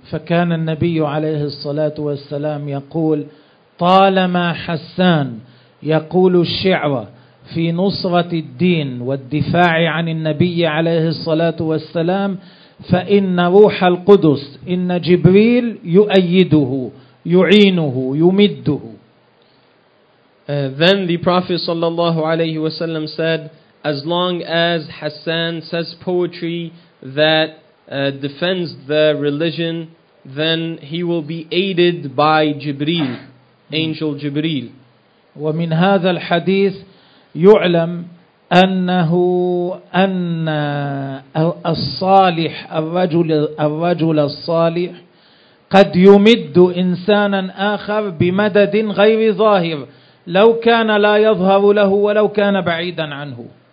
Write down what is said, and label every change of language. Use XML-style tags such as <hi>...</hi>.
<ar>فكان النبي عليه الصلاة والسلام يقول طالما حسان يقول الشعر في نصرة الدين والدفاع عن النبي عليه الصلاة والسلام فإن روح القدس إن جبريل يؤيده يعينه يمده.</ar> <en>Then the Prophet sallallahu alayhi wasallam said, as long as Hassan says poetry that defends the religion, then he will be aided by Jibreel, angel Jibreel.</en> <ar>ومن هذا الحديث يعلم أنه أن الصالح الرجل الصالح قد يمد إنسانا آخر بمدد غير ظاهر لو كان لا يظهر له ولو كان بعيدا عنه.</ar>